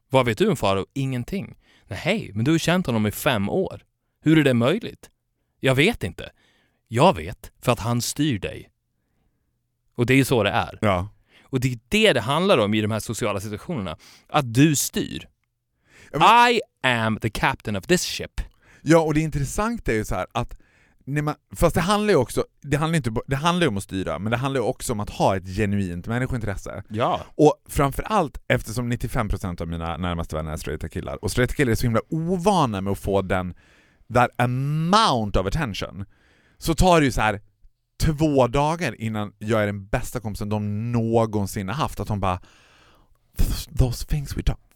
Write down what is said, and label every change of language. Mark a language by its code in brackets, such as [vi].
[sv] Vad vet du om faro? Ingenting. Nej, men du har känt honom i 5 år. Hur är det möjligt? Jag vet inte. Jag vet, för att han styr dig. Och det är ju så det är. Ja. Och det är det handlar om i de här sociala situationerna. Att du styr. [en] I am the captain of this ship. [sv] Ja, och det intressanta är ju så här att när man, fast det handlar ju också, det handlar ju om att styra, men det handlar ju också om att ha ett genuint människointresse. Ja. Och framförallt eftersom 95% av mina närmaste vänner är straighta killar, och straighta killar är så himla ovana med att få den [en] that amount of attention, [sv] så tar det ju så här 2 dagar innan jag är den bästa kompisen de någonsin har haft, att de bara [en] those things we talk.